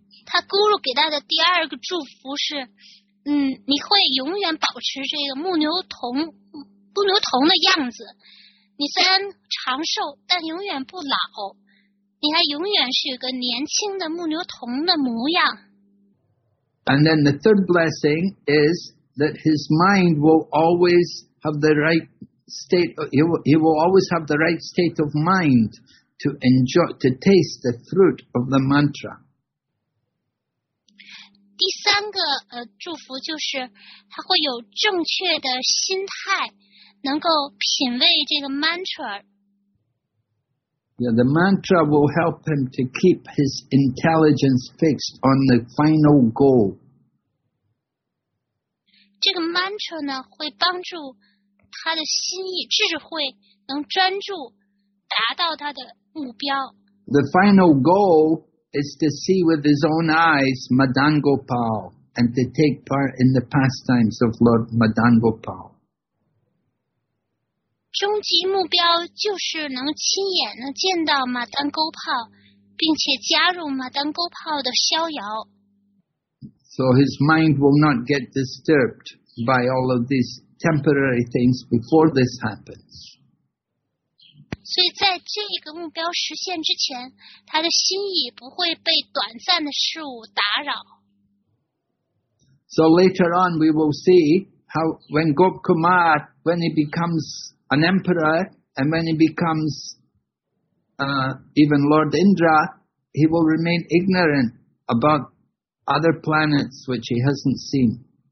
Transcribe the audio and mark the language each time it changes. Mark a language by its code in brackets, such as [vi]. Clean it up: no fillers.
[zh] 他咕噜给他的第二个祝福是，你会永远保持这个牧牛童的样子。你虽然长寿，但永远不老。你还永远是个年轻的牧牛童的模样。 [en] And then the third blessing is that his mind will always have the right state. He will always have the right state of mind to enjoy, to taste the fruit of the mantra. [zh] 第三个祝福就是他会有正确的心态，能够品味这个 mantra。 [en] Yeah, the mantra will help him to keep his intelligence fixed on the final goal. [zh] 这个 mantra 呢，会帮助他的心意、智慧能专注达到他的目标。 [en] The final goal is to see with his own eyes Madangopal and to take part in the pastimes of Lord Madangopal. [zh] 终极目标就是能亲眼能见到马丹勾炮，并且加入马丹勾炮的逍遥。 [en] So his mind will not get disturbed by all of these temporary things before this happens. [zh] 所以在这个目标实现之前，他的心意不会被短暂的事物打扰。 [en] So later on we will see how when Gop Kumar, when he becomesan emperor, and when he becomes even Lord Indra, he will remain ignorant about other planets which he hasn't seen.